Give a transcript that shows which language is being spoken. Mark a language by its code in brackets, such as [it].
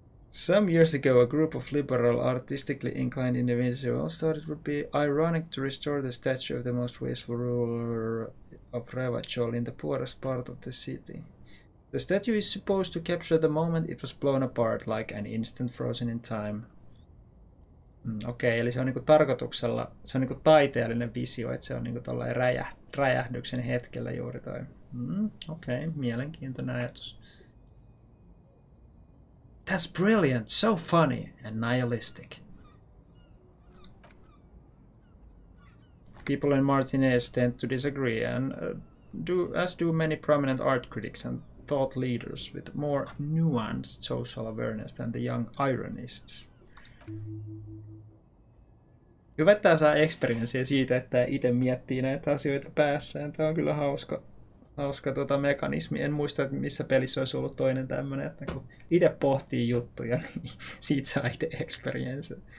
[en] Some years ago, a group of liberal, artistically inclined individuals thought it would be ironic to restore the statue of the most wasteful ruler of Revachol in the poorest part of the city. The statue is supposed to capture the moment it was blown apart, like an instant frozen in time. [fi] Okei, eli se on niinku tarkoituksella, se on niinku taiteellinen visio, että se on niinku tollain räjähdyksen hetkellä juuri toi. Mielenkiintoinen ajatus. [en] That's brilliant, so funny, and nihilistic. People in Martinez tend to disagree, and do many prominent art critics and thought leaders with more nuanced social awareness than the young ironists. [fi] Hyvä, että tämä saa eksperimenssiä siitä, että itse miettii näitä asioita päässään. Tämä on kyllä hauska. Hauska mekanismi. En muista, että missä pelissä olisi ollut toinen tämmöinen, että kun itse pohtii juttuja, niin siitä saa itse experience.